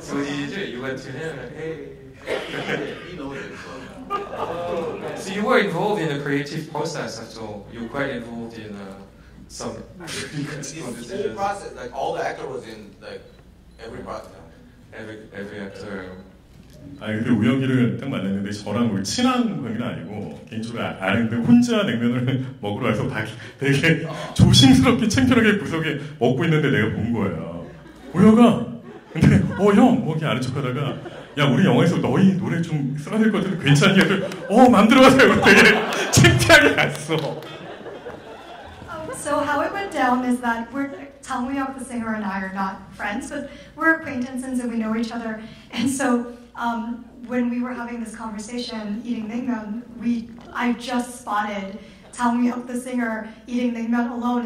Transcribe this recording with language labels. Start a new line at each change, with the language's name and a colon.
English: So what did you do? You went to him and, hey. He knows it. So you were involved in the creative process at all. You were quite involved in some creative this whole process, like all the actor was in, like, every process. Every
Korean: 근데 우영이를 딱 만났는데 저랑 뭐 친한 관계는 아니고 개인적으로 아는데 혼자 냉면을 먹으러 와서 되게 조심스럽게 창피하게 부석에 먹고 있는데 내가 본 거예요. 우영아! 근데 형! 뭐 이렇게 아는 척 하다가 야 우리 영화에서 너희 노래 좀 써야 될 것 같은데 괜찮니? 마음대로 하세요! 그래서 되게 창피하게 갔어.
English: So how it went down is that Tang Woo-hyuk, the singer, and I are not friends, but we're acquaintances and we know each other. And so when we were having this conversation eating naengmyeon, I just spotted Tang Woo-hyuk, the singer, eating naengmyeon alone.